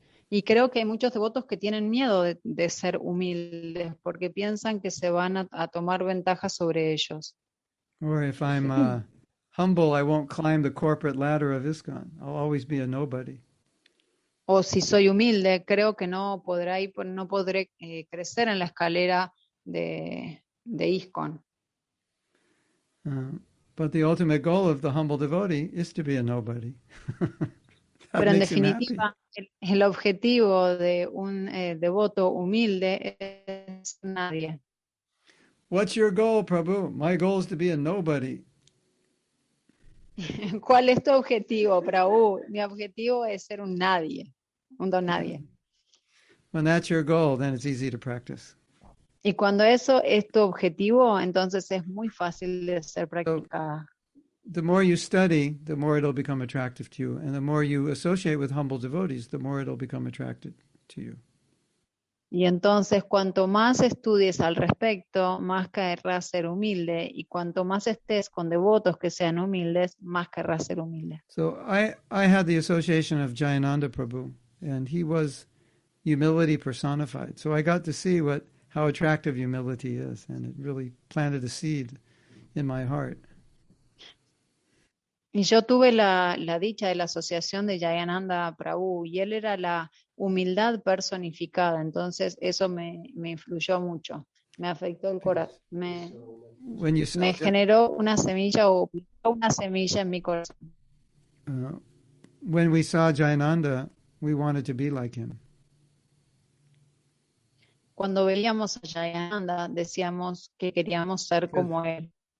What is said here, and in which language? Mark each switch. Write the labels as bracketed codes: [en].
[es] Y creo que hay muchos devotos que tienen miedo de ser humildes porque piensan que se van a tomar ventaja sobre ellos. [en] Or if I'm humble, I won't climb the corporate ladder of ISKCON. I'll always be a nobody. [es] O si soy humilde, creo que no podré crecer en la escalera de ISKCON. [en] But the ultimate goal of the humble devotee is to be a nobody. [es] Pero en definitiva, el objetivo de un devoto humilde es nadie. [en] What's your goal, Prabhu? My goal is to be a nobody. [es] ¿Cuál es tu objetivo, Prabhu? Mi objetivo es ser un nadie, un don nadie. [en] When that's your goal, then it's easy to practice. [es] Y cuando eso es tu objetivo, entonces es muy fácil de ser practicada. [en] The more you study, the more it'll become attractive to you. And the more you associate with humble devotees, the more it'll become attracted to you. [es] Y entonces, cuanto más estudies al respecto, más querrás ser humilde. Y cuanto más estés con devotos que sean humildes, más querrás ser humilde. [en] So I had the association of Jayananda Prabhu, and he was humility personified. So I got to see how attractive humility is, and it really planted a seed in my heart. [es] Y yo tuve la dicha de la asociación de Jayananda Prabhu, y él era la humildad personificada, entonces eso me influyó mucho, me afectó el corazón, me generó una semilla o una semilla en mi corazón. [en] When we saw Jayananda, we wanted to be like him. [es] Cuando veíamos a Jayananda, decíamos que queríamos ser como él.